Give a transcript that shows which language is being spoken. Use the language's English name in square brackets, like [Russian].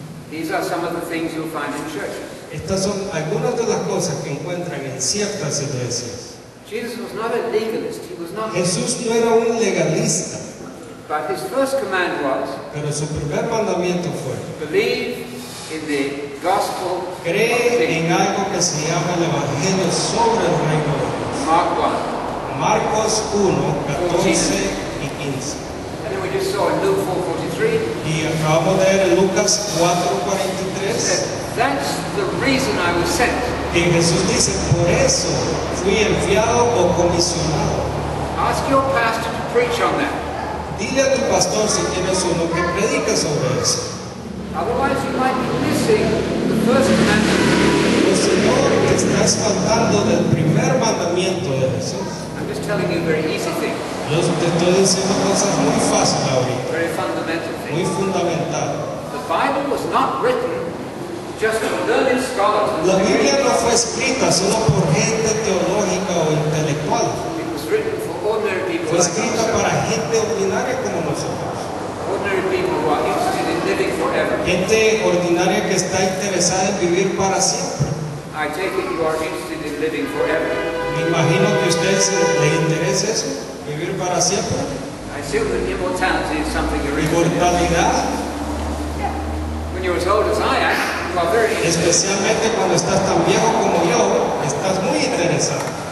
[English] These are some of the things you'll find in churches. [Spanish] Estas son algunas de las cosas que encuentran en ciertas iglesias. [English] Jesus was not a legalist. He was not. [Spanish] Jesús no era un legalista. [English] But his first command was. [Spanish] Pero su primer mandamiento fue. [English] Believe in the gospel. [Spanish] Cree en algo que se llama el evangelio sobre el reino de Dios. [English] Mark 1. [Spanish] Marcos 1:14 y 15. [English] And then we just saw in Luke 4:43. [Spanish] Y acabamos de leer en Lucas 4:43. [English] That's the reason I was sent. [Spanish] Y Jesús dice, por eso fui enviado o comisionado. [English] Ask your pastor to preach on that. [Spanish] Dile a tu pastor si tienes uno que predica sobre eso. [English] Otherwise you might be missing the first commandment. [Spanish] El Señor te estás faltando del primer mandamiento de Jesús. [English] I'm just telling you a very easy thing. [Spanish] Yo te estoy diciendo cosas muy fáciles ahorita. [English] Very fundamental thing. [Spanish] Muy fundamental. [English] The Bible was not written just for learned scholars. [Spanish] La Biblia no fue escrita solo por gente teológica o intelectual. [English] It was written for ordinary people. [Spanish] Fue escrita para gente ordinaria como nosotros. [English] Ordinary people who are interested in living forever. [Spanish] Gente ordinaria que está interesada en vivir para siempre. [English] I take it you are interested in living forever. [Spanish] Me imagino que a ustedes les interesa eso. Vivir para siempre. [English] I assume that immortality is something you're [Spanish] immortalidad. [English] Yeah. When you're as old as I am, you are very interested. [Spanish] Especialmente cuando estás tan viejo como yo, estás muy interesado.